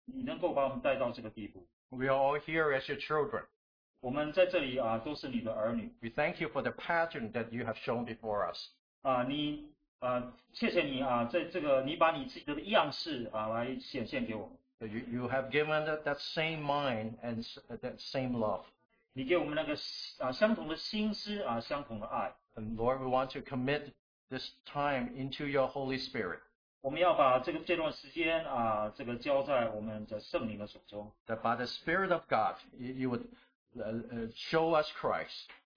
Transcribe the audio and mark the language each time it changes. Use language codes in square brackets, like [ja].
[zh] 我们就相当的惊讶，你能够把我们带到这个地步。 [en] We are all here as your children. [zh] 我们在这里都是你的儿女。 [en] We thank you for the pattern that you have shown before us. [zh] 谢谢你，把你自己的样式来显现给我们。 [en] You have given that same mind and that same love. [zh] 你给我们那个相同的心思，相同的爱。 [en] And Lord, we want to commit this time into your Holy Spirit. [zh] 我们要把这段时间，交在我们的圣灵的手中。 [en] That by the Spirit of God, you would show us Christ.